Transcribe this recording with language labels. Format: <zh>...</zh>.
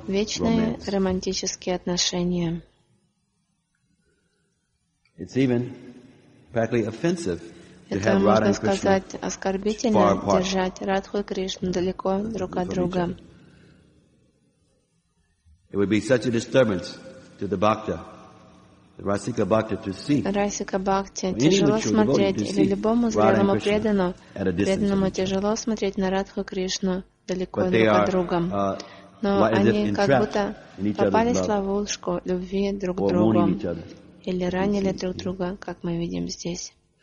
<ru>вечные романтические отношения.</ru> <en>It's even practically offensive to</en> <ru>это</ru> <en>have</en> <ru>можно сказать оскорбительно держать Радху и Кришну далеко друг от друга.</ru> <en>It would be such a disturbance to the bhakta, the rasika bhakta, to see.</en> <ru>Расика бхакти тяжело смотреть или любому зрелому преданному тяжело смотреть на Радху и Кришну далеко друг от друга. Но они как будто попались в ловушку любви друг к другу или ранили друг друга, как мы видим здесь.</ru>